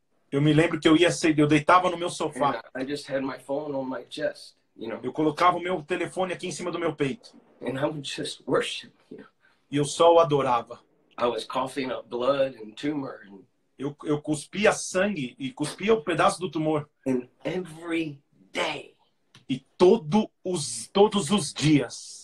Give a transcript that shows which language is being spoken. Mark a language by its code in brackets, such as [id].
[pt] Eu me lembro que eu deitava no meu sofá. [en] I just had my phone on my chest, you know. [pt] Eu colocava o meu telefone aqui em cima do meu peito. [en] And I would just worship, you know. [pt] E eu só o adorava. [en] I was coughing up blood and tumor. [pt] Eu cuspia sangue e cuspia o pedaço do tumor. [en] And every day. [pt] E todos os dias.